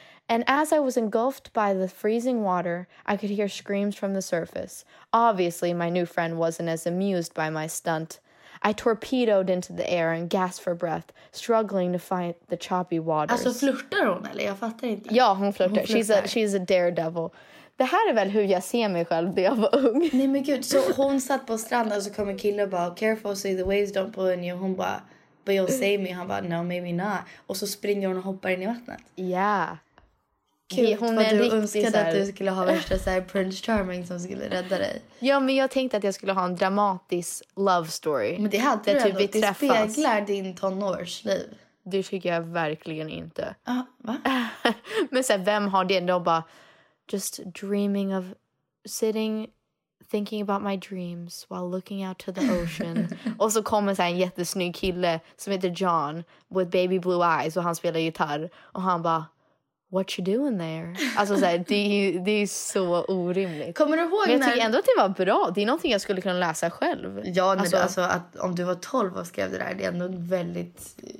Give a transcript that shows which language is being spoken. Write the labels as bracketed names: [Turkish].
[English] And as I was engulfed by the freezing water, I could hear screams from the surface. Obviously, my new friend wasn't as amused by my stunt. I torpedoed into the air and gasped for breath, struggling to fight the choppy waters. [Swedish] Alltså, flirtar hon eller? Jag fattar inte. Ja, hon flirtar. [English] She's a daredevil. [Swedish] Det här är väl hur jag ser mig själv när jag var ung. Nej men gud, så hon satt på stranden och så kom en kille och bara, [English] careful so the waves don't pull in you. [Swedish] Hon bara... [English] But you'll save me. [Swedish] Han bara, [English] no, maybe not. [Swedish] Och så springer hon och hoppar in i vattnet. Ja. [English] Yeah. [Swedish] Kul, vad du önskade att du skulle ha värsta så här, Prince Charming som skulle rädda dig. Ja, men jag tänkte att jag skulle ha en dramatisk love story. Men det hade du typ ändå. Det speglar din tonårsliv. Det tycker jag verkligen inte. Va? Men så här, vem har det ändå bara, [English] just dreaming of sitting... Thinking about my dreams while looking out to the ocean. [Swedish] Och så kommer en jättesnygg kille som heter John [English] with baby blue eyes [Swedish] och han spelar gitarr. Och han bara, [English] what you doing there? [Swedish] Alltså såhär, det är så orimligt. Kommer du ihåg när... Men jag tycker ändå att det var bra. Det är någonting jag skulle kunna läsa själv. Ja, men alltså att om du var 12 och skrev det där, det är ändå väldigt...